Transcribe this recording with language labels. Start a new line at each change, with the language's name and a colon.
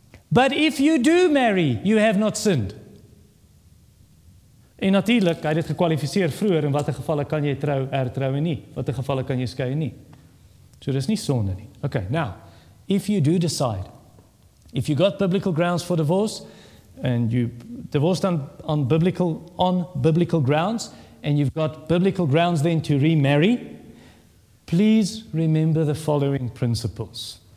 English: But if you do marry, you have not sinned.
Afrikaans: En natuurlik, hy het dit gekwalifiseer vroeër in watter gevalle kan jy trou, hertrou en nie. Watter gevalle kan jy skei en nie. So dis nie sonde nie.
English: Okay, now. If you do decide, if you got biblical grounds for divorce, and you divorced on biblical grounds, and you've got biblical grounds then to remarry, please remember the following principles.